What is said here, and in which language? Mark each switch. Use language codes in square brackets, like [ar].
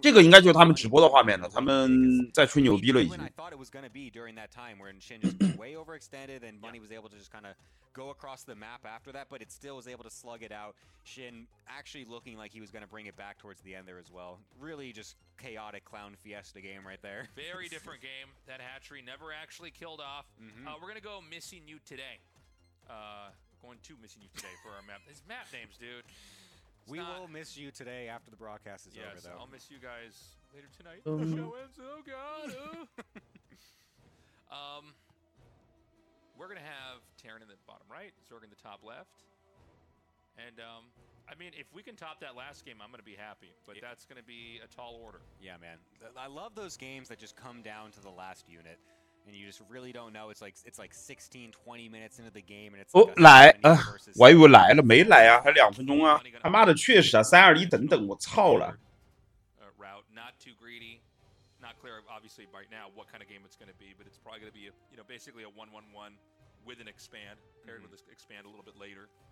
[zh] 这个应该就是他们直播的画面了。他们在吹牛逼了，已经。 [en] I thought it was going to be during that time when Shin was way overextended and Bunny was able to just kind of go across the map after that, but it still was able to slug it out. Shin actually looking like he was going to bring it back towards the end there as well. Really just chaotic clown fiesta game right there. Very different game. That hatchery never actually killed off. We're going to go missing you today. Going to missing you today for our map. His map names, dude. We will miss you today after the broadcast is over, though. Yes, I'll miss you guys later tonight. The show ends. Oh, God. we're going to have Terran in the bottom right, Zerg in the top left. And, I mean, if we can top that last game, I'm going to be happy. But that's going to be a tall order. Yeah, man. I love those games that just come down to the last unit. And you just really don't know. It's like 16, 20 minutes into the game, and it's like [zh] 来啊！我以为来了，没来啊，还两分钟啊！他妈的，确实啊，三二一，等等，我操了！ [en] Route not too greedy, not clear obviously right now what kind of game it's going to be, but it's probably going to be basically a 1-1-1 with an expand paired with this expand a little bit later.